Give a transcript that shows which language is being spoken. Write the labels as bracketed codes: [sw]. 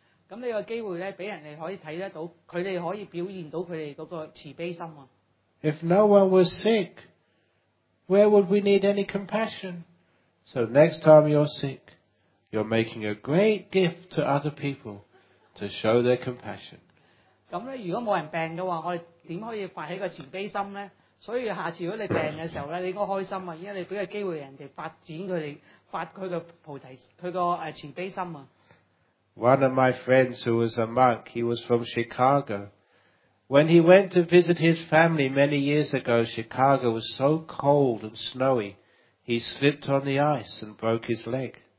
[yue] 咁你個機會咧，俾人哋可以睇得到，佢哋可以表現到佢哋嗰個慈悲心啊。 [en] If no one was sick, where would we need any compassion? So next time you're sick, you're making a great gift to other people to show their compassion. [yue] 咁咧，如果冇人病嘅話，我哋點可以發起個慈悲心咧？所以下次如果你病嘅時候咧，你應該開心啊，因為你俾個機會人哋發展佢哋發佢個菩提佢個慈悲心啊。 [en] One of my friends who was a monk, he was from Chicago. When he went to visit his family many years ago, Chicago was so cold and snowy, he slipped on the ice and broke his leg.